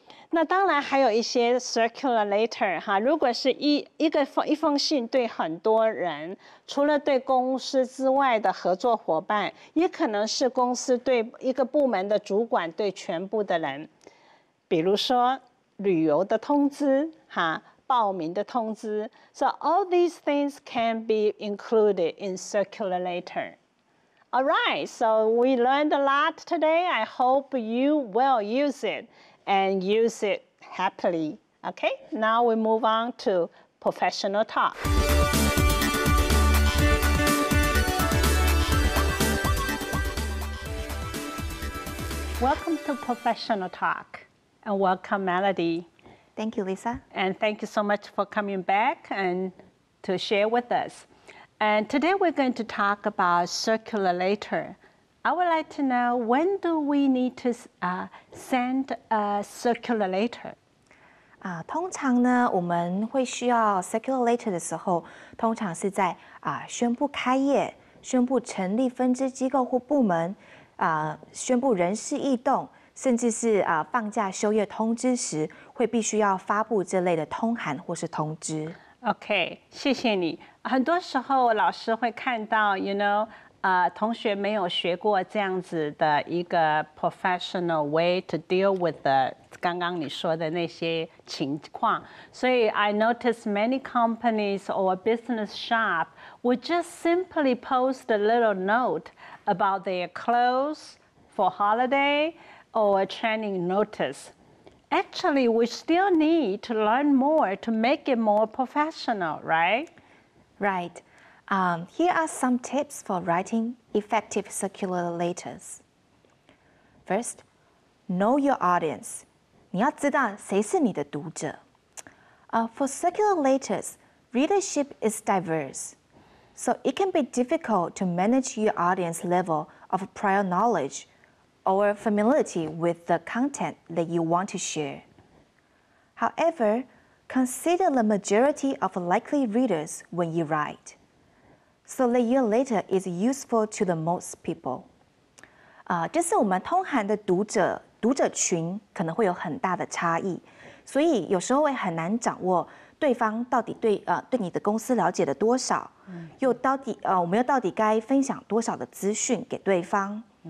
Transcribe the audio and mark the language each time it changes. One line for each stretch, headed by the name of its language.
Chinese: 那当然还有一些 circular letter 哈，如果是一封信对很多人，除了对公司之外的合作伙伴，也可能是公司对一个部门的主管，对全部的人，比如说旅游的通知哈，报名的通知。
English: So all these things can be included in circular letter. Alright, so we learned a lot today. I hope you will use itAnd use it happily. Okay, now we move on to professional talk. Welcome to professional talk. And welcome, Melody. Thank you, Lisa. And thank you so much for coming back and to share with us. And today we're going to talk about circular letter. I would like to know, when do we need to send a circular letter?
Chinese: 通常呢，我们会需要 circular letter 的时候，通常是在宣布开业、宣布成立分支机构或部门、宣布人事异动，甚至是放假休业通知时，会必须要发布这类的通函或是通知。 OK, 谢谢你。很多时候老师会看到
English: ,you know,
Chinese: 同学没有学过这样子的一个
English: professional way to deal with the
Chinese: 刚刚你说的那些情况，所以
English: I noticed many companies or business shop would just simply post a little note about their clothes for holiday or training notice. Actually, we still need to learn more to make it more professional, right? Right. Here are some tips for writing effective circular letters. First, know your audience. 你要知道谁是你的读者。 For circular letters, readership is diverse. So it can be difficult to manage your audience level of prior knowledge or familiarity with the content that you want to share. However, consider the majority of likely readers when you write. So that your letter is useful to the most people.
Chinese: 这是我们通函的读者群可能会有很大的差异，所以有时候会很难掌握对方到底对你的公司了解了多少，又到底我们又到底该分享多少的资讯给对方。